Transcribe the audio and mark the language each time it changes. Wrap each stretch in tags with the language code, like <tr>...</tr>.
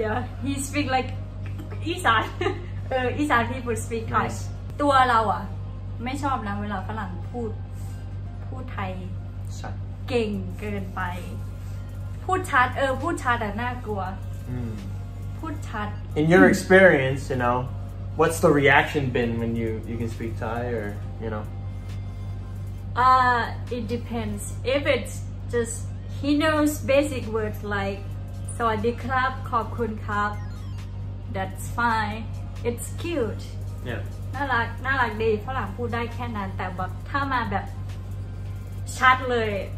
<en>Yeah, he speak like อีสานอีสาน people speak Thai. Nice.</en> <th>ตัวเราอ่ะไม่ชอบนะเวลาฝรั่งพูดไทยเก่งเกินไปพูดชัดพูดชัดอ่ะน่ากลัวพูดชัด</th> <en>In your experience, you know, what's the reaction been when you can speak Thai or, you know? It depends. If it's just, he knows basic words like</en> <th>สวัสดีครับ ขอบคุณครับ</th> <en>That's fine. It's cute. Yeah.</en> <th>น่ารักดีฝรั่งพูดได้แค่นั้นแต่ว่าถ้ามาแบบชัดเลย</th>